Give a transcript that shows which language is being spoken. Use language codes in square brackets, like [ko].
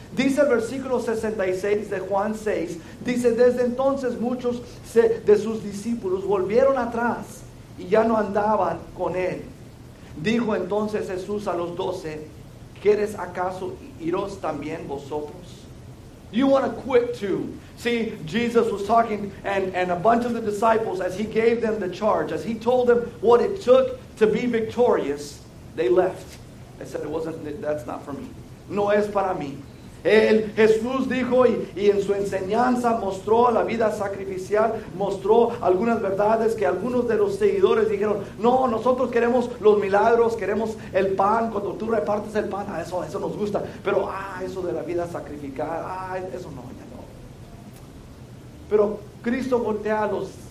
[es] Dice el versículo 66 de Juan 6. Dice, desde entonces muchos de sus discípulos volvieron atrás y ya no andaban con él. Dijo entonces Jesús a los 12, ¿quieres acaso iros también vosotros? [en] You want to quit too. See, Jesus was talking and a bunch of the disciples, as he gave them the charge, as he told them what it took to be victorious, they left. They said, that's not for me. [es] No es para mí. El Jesús dijo y en su enseñanza mostró la vida sacrificial, mostró algunas verdades que algunos de los seguidores dijeron, no, nosotros queremos los milagros, queremos el pan, cuando tú repartes el pan, eso nos gusta, pero eso de la vida sacrificada, eso no, ya no. Pero Cristo voltea a los